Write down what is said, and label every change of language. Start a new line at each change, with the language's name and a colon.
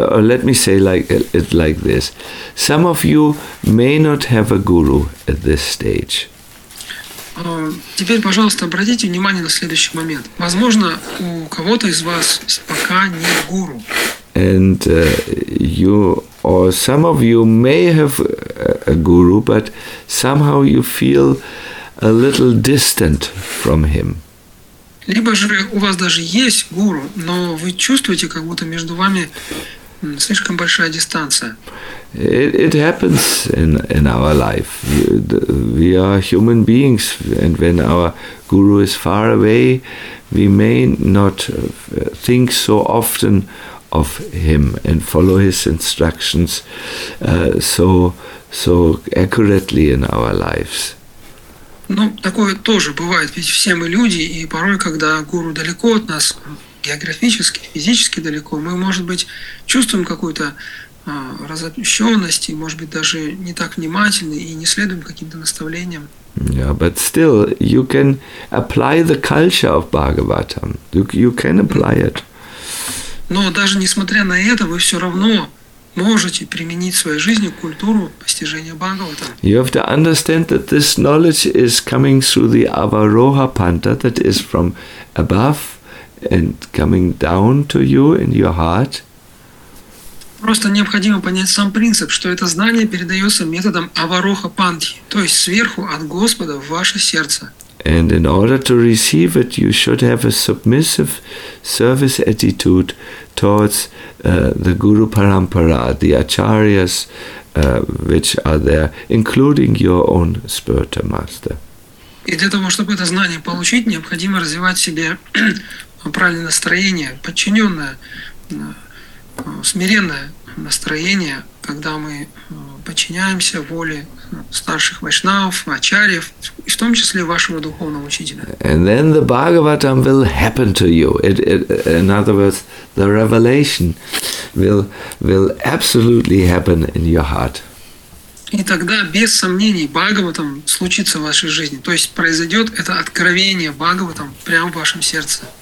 English: Let me say like this. Some of you may not have a guru at this stage.
Russian: Теперь, пожалуйста, обратите внимание на следующий момент. Возможно, у кого-то из вас пока нет гуру.
English: And you or some of you may have a guru, but somehow you feel a little distant from him.
Russian: Либо же у вас даже есть гуру, но вы чувствуете, как будто между вами слишком большая дистанция.
English: It happens in our life. We are human beings, and when our guru is far away, we may not think so often of him and follow his instructions so accurately in our lives.
Russian: Ну, такое тоже бывает, ведь все мы люди, и порой, когда гуру далеко от нас, географически, физически далеко, мы, может быть, чувствуем какую-то разобщенность, и, может быть, даже не так внимательны и не следуем каким-то наставлениям.
English: Yeah, but still, you can apply the culture of Bhagavatam. You can apply it.
Russian: Но даже несмотря на это, вы все равно можете применить в своей жизни культуру постижения Бхагавата.
English: You have to understand that this knowledge is coming through the Avaroha Panta, that is from above and coming down to you in your heart.
Russian: Просто необходимо понять сам принцип, что это знание передается методом Avaroha Panti, то есть сверху от Господа в ваше сердце.
English: And in order to receive it, you should have a submissive service attitude towards the Guru Parampara, the Acharyas, which are there, including your own spiritual master.
Russian: И для того, чтобы это знание получить, необходимо развивать в себе правильное настроение, подчиненное, смиренное настроение, когда мы подчиняемся воле старших вайшнавов, ачарьев, и в том числе вашего духовного учителя.
English: And then the Bhagavatam will happen to you. In other words, the revelation will absolutely happen in your heart.
Russian: И тогда, без сомнений, Бхагаватам случится в вашей жизни. То есть произойдет это откровение Бхагаватам прямо в вашем сердце.